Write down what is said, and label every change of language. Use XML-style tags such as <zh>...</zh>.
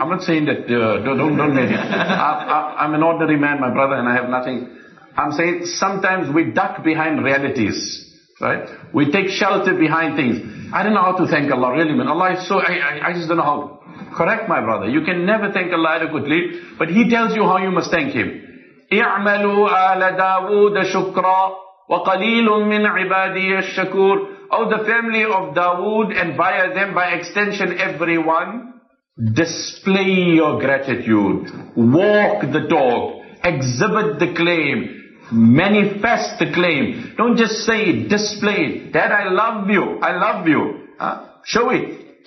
<en>I'm not saying that, don't let him. I'm an ordinary man, my brother, and I have nothing. I'm saying sometimes we duck behind realities, right? We take shelter behind things. I don't know how to thank Allah, really, man. Allah is so, I just don't know how. Correct, my brother. You can never thank Allah adequately, but He tells you how you must thank Him.</en> <ar>اعملوا آل داود شكرا وقليل من عبادي الشكور.</ar> <en>Oh, the family of Dawood, and by them, by extension, everyone, display your gratitude. Walk the talk. Exhibit the claim. Manifest the claim. Don't just say it, display it. Dad, I love you. I love you. Show it.</en>